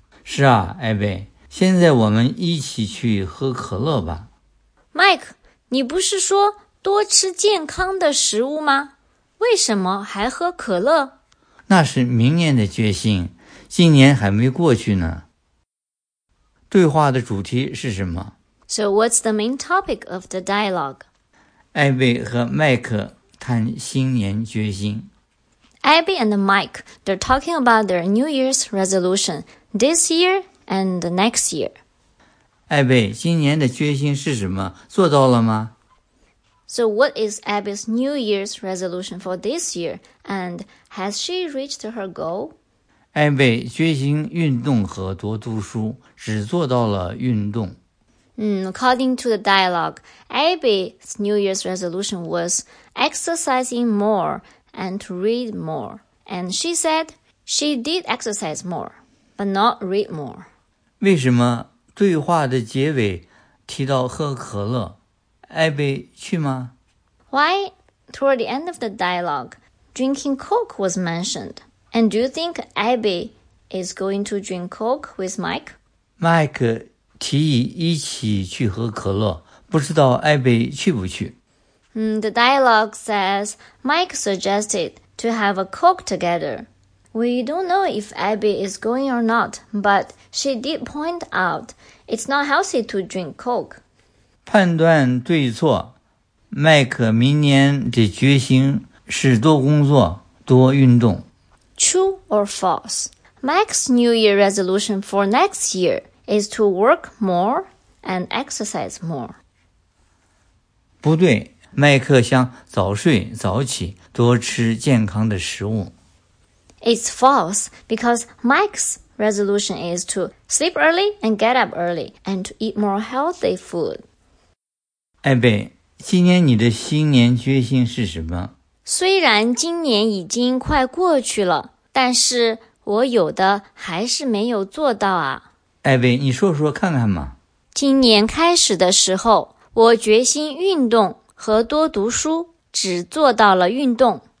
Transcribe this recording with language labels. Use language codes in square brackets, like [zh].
[zh] 是啊，艾贝，现在我们一起去喝可乐吧。 Mike, 你不是说多吃健康的食物吗？为什么还喝可乐？那是明年的决心，今年还没过去呢。对话的主题是什么？ [en] So what's the main topic of the dialogue? [zh] 艾贝和麦克谈新年决心。 [en] Abby and Mike, they're talking about their New Year's resolution this year and the next year. [zh] 艾贝，今年的决心是什么？做到了吗？ [en] So what is Abby's New Year's resolution for this year? And has she reached her goal? [zh] 艾贝决心运动和多读书，只做到了运动。 [en] According to the dialogue, Abby's New Year's resolution was exercising more and to read more. And she said she did exercise more, but not read more. [zh] 为什么对话的结尾提到喝可乐？艾贝去吗？ [en] Why, toward the end of the dialogue, drinking Coke was mentioned. And do you think Abby is going to drink Coke with Mike? [zh] Mike 提议一起去喝可乐，不知道艾贝去不去。 [en] The dialogue says Mike suggested to have a Coke together. We don't know if Abby is going or not, but she did point out it's not healthy to drink Coke. [zh] 判断对错，麦克明年的决心是多工作多运动。 [en] True or false? Mike's New Year resolution for next year is to work more and exercise more. [zh] 不对，麦克想早睡早起，多吃健康的食物。 [en] It's false because Mike's resolution is to sleep early and get up early and to eat more healthy food. [zh] 艾贝，今年你的新年决心是什么？虽然今年已经快过去了，但是我有的还是没有做到啊。艾贝，你说说看看嘛。今年开始的时候，我决心运动和多读书，只做到了运动。